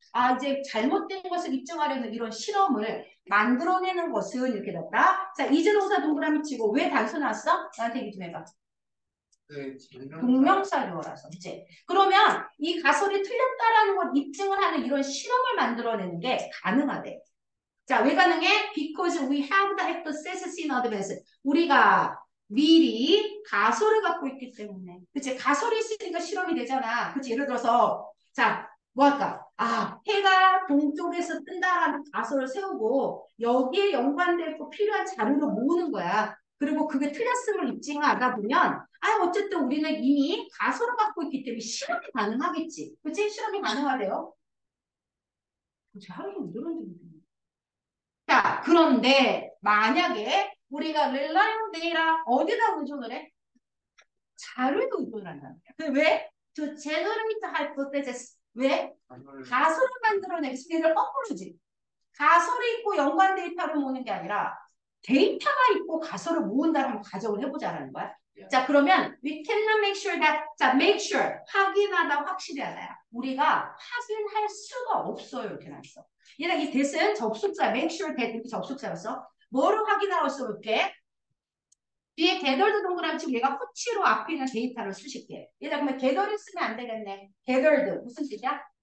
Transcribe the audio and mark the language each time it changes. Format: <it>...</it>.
<ko>아, 이제 잘못된 것을 입증하려는 이런 실험을 만들어내는 것은 이렇게 됐다. 자, 이제 동사 동그라미 치고. 왜 단서 나왔어? 나한테 얘기 좀 해봐. 동명사로 와서 이제 그러면 이 가설이 틀렸다라는 걸 입증을 하는 이런 실험을 만들어내는 게 가능하대. 자, 왜 가능해?</ko> <en>Because we have the hypothesis in advance.</en> <ko>우리가 미리 가설을 갖고 있기 때문에. 그치? 가설이 있으니까 실험이 되잖아. 그치? 예를 들어서, 자, 뭐 할까? 아, 해가 동쪽에서 뜬다라는 가설을 세우고 여기에 연관되고 필요한 자료를 모으는 거야. 그리고 그게 틀렸음을 입증하다 보면, 아, 어쨌든 우리는 이미 가설을 갖고 있기 때문에 실험이 가능하겠지. 그치? 실험이 가능하대요. 잘하는 이런 점이. 자, 그런데 만약에 우리가</ko> <en>relying on data</en> <ko>어디다 의존을 해? 자료에 의존한다는 거야. 왜?</ko> <en>To generate hypothesis. 왜?</en> <ko>가설을 만들어내기 위해서 거꾸로지. 가설이 있고 연관 데이터를 모으는 게 아니라 데이터가 있고 가설을 모은다라고 가정을 해보자라는 거야.</ko> <en>자, 그러면 we cannot make sure that, 자, make sure,</en> <ko>확인하다, 확실히 하다야. 우리가 확인할 수가 없어요. 이렇게 나왔어. 얘가 이 this은 접속사,</ko> <en>make sure that</en> <ko>이렇게 접속사였어. 뭐를 확인하고 있을게? 뒤에 gathered 동그라미 치고 얘가 후치로 앞에 있는 데이터를 수집해. 얘가 그러면 gathered 쓰면 안 되겠네. gathered 무슨 뜻이야?</ko>